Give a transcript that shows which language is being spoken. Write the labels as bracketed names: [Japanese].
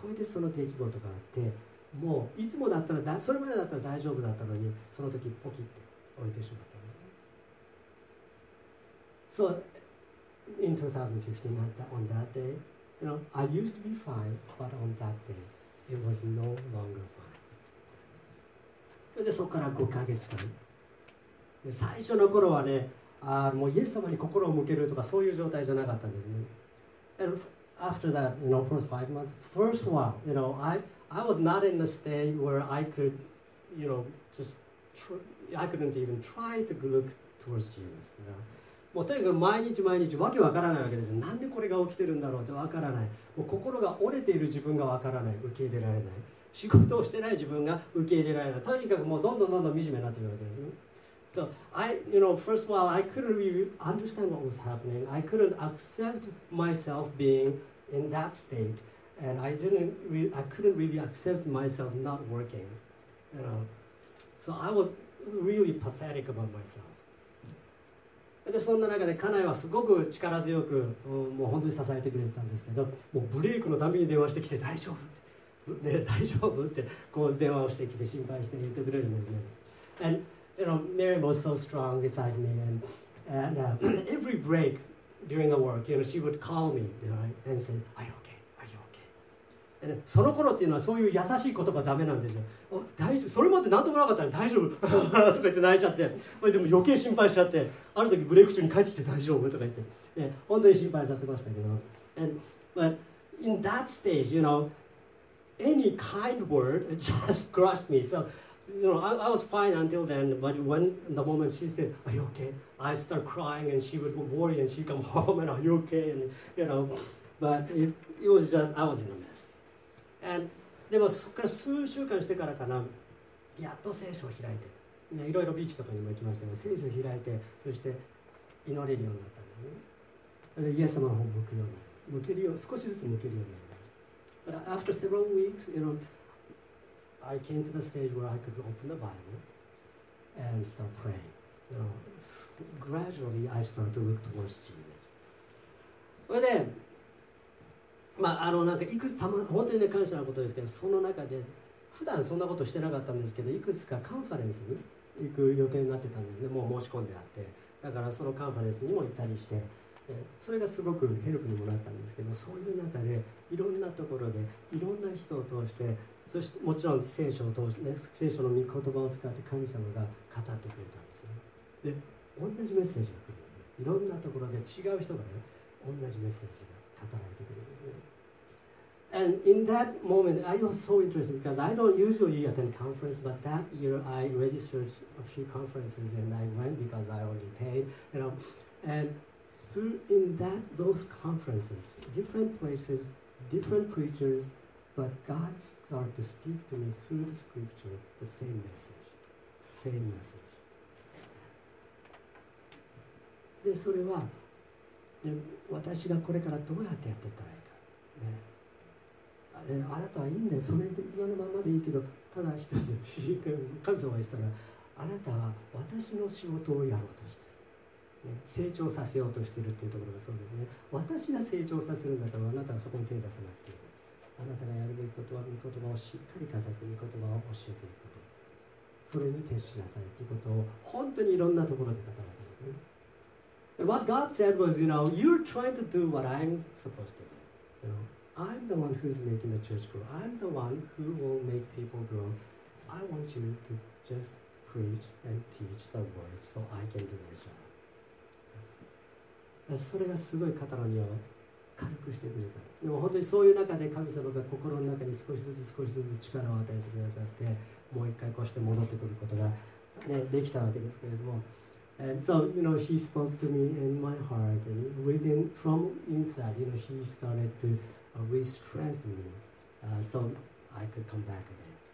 [Japanese] それでその出来事があって、もういつもだったらそれまでだったら大丈夫だったのに、その時ポキって折れてしまったんです。 [English] So in 2015, on that day,You know, I used to be fine, but on that day, it was no longer fine. [Japanese] で、そこから5ヶ月間。で、最初の頃はね、もうイエス様に心を向けるとかそういう状態じゃなかったんですね。 [English] And after that, you know, for 5 months, first while, you know, I was not in the state where I could, you know, I couldn't even try to look towards Jesus. You know? [Japanese] もうとにかく毎日毎日わけわからないわけですよ。なんでこれが起きてるんだろうってわからない。もう心が折れている自分がわからない。受け入れられない。仕事をしてない自分が受け入れられない。とにかくもうどんどんどんどん惨めになってるわけです。 [English] So, I, you know, first of all, I couldn't really understand what was happening. I couldn't accept myself being in that state. And I couldn't really accept myself not working. You know, so I was really pathetic about myself. [Japanese] で、そんな中で家内はすごく力強く、もう本当に支えてくれてたんですけど、もうブレイクのたびに電話してきて、大丈夫、ね、大丈夫ってこう電話をしてきて心配して言ってくれるんですね。 [English] And, you know, Mary was so strong beside me. And every break during the work, you know, she would call me, right? And say, are you okay? Are you okay? And [Japanese] その頃っていうのはそういう優しい言葉ダメなんですよ。大丈夫、それまで何ともなかったら大丈夫とか言って泣いちゃって、でも余計心配しちゃって、ある時ブレイク中に帰ってきて大丈夫とか言って、ね、本当に心配させましたけど。 [English] And, but in that stage, you know, any kind word just crushed me. So,You know, I was fine until then, but when the moment she said, "Are you okay?" I start crying, and she would worry, and she come home, and "Are you okay?" And you know, but it was just I was in a mess. And [Japanese] でもそこから数週間してからかな、やっと聖書を開いて、ね、いろいろビーチとかにも行きましたが、聖書を開いて、そして祈れるようになったんですね。で、イエス様の方を向くように、向けるよう、少しずつ向けるようになりました。 [English] But after several weeks, you know. I came to the stage where I could open the Bible and start praying. You know, gradually I started to look towards Jesus. [Japanese] それで、まああのなんかいくたま本当に感謝なことですけど、その中で普段そんなことしてなかったんですけど、いくつかカンファレンスに行く予定になってたんですね。もう申し込んであって、だからそのカンファレンスにも行ったりして、それがすごくヘルプにもらったんですけど、そういう中でいろんなところでいろんな人を通して。そしてもちろん聖書を通して、ね、聖書の御言葉を使って神様が語ってくれたんですよ。で、同じメッセージが来るんですよ。いろんなところで違う人がね、同じメッセージが語られてくるんですね。 [English] And in that moment, I was so interested because I don't usually attend conference, but that year I registered a few conferences and I went because I already paid, you know. And through in that those conferences, different places, different preachers. But God started to speak to me through the scripture, the same message, same message. [Japanese] で、それは、ね、私がこれからどうやってやっていったらいいか、ね、あなたはいいんだよ、それで今のままでいいけど、ただ一つ、神様が言ってたら、あなたは私の仕事をやろうとしてる、ね、成長させようとしてるっていうところがそうですね。私が成長させるんだから、あなたはそこに手を出さなくていい。あなたがやるべきことは御言葉をしっかり語って御言葉を教えていくこと、それに徹しなさいということを本当にいろんなところで語られていますね。 [English] And what God said was, you know, you're trying to do what I'm supposed to do. You know, I'm the one who's making the church grow. I'm the one who will make people grow. I want you to just preach and teach the word so I can do my job. [Japanese] それがすごい語るには。軽くしてくれた。でも本当にそういう中で神様が心の中に少しずつ少しずつ力を与えてくださって、もう一回こうして戻ってくることが、ね、できたわけですけれども。 [English] And so, you know, he spoke to me in my heart and within, from inside, you know, he started to re-strengthen me, so I could come back again.